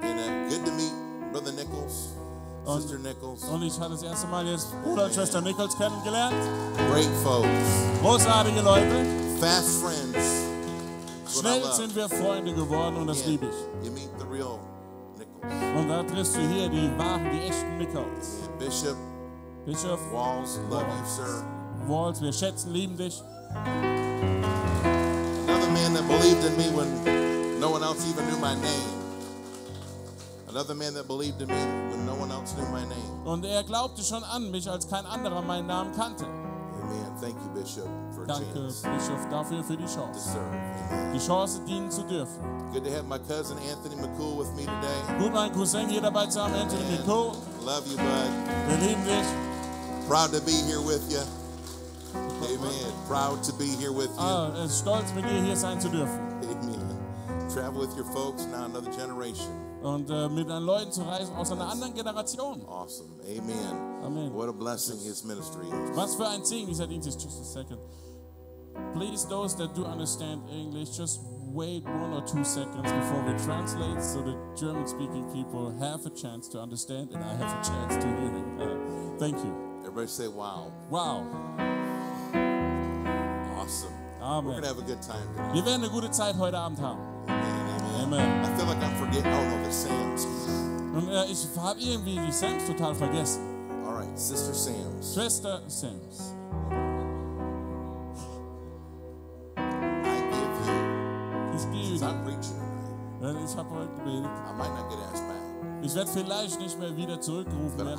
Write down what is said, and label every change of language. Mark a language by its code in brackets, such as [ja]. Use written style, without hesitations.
[en] And good to meet Brother Nichols, Sister Nichols. [de] Und ich hatte das erste Mal jetzt Bruder und Schwester Nichols kennengelernt. [en] Great folks. [de] Großartige Leute. [en] Fast friends. [de] Schnell sind wir Freunde geworden und das liebe ich. [en] You meet the real Nichols. [de] Und da triffst du hier die wahren, die echten Nichols. [en] Bishop. [de] Bischof [en] Walls, love you, sir. [de] Walls, wir schätzen, lieben dich. [en] Another man that believed in me when no one else even knew my name. Another man that believed in me when no one else knew my name. [de] Und er glaubte schon an mich, als kein anderer meinen Namen kannte. [en] Amen. Thank you, Bishop, for [de] Danke, [en] a chance. [de] Danke, Bischof, dafür für die Chance. [en] To serve. [de] Die Chance dienen zu dürfen. [en] Good to have my cousin Anthony McCool with me today. [de] Gut, mein Cousin hier dabei zu haben, Anthony McCool. [en] Love you, bud. [de] Wir lieben dich. [en] Proud to be here with you. Amen. Proud to be here with you. [de] Stolz mit dir hier sein zu dürfen. [en] Amen. Travel with your folks, now another generation. [de] und mit den Leuten zu reisen aus einer anderen Generation. [en] Awesome. Amen. Amen. What a blessing his ministry is. [de] Was für ein Segen dieser Dienst ist. [en] Just a second. Please, those that do understand English, just wait 1 or 2 seconds before we translate so the German-speaking people have a chance to understand and I have a chance to hear it. Thank you. Everybody say wow. Wow. Awesome. Amen. We're going to have a good time tonight. [de] Wir werden eine gute Zeit heute Abend haben. Amen, amen. Amen. [en] I feel like I'm forgetting all of the Sams. [de] Und ich habe irgendwie die Sams total vergessen. [en] All right, Sister Sams. [de] Schwester Sams. [en] I give you. [de] Ich gebe dir. [en] I'm preaching tonight. [de] Ich habe heute gebetet. [en] I might not get asked back. [de] Ich werde vielleicht nicht mehr wieder zurückgerufen werden.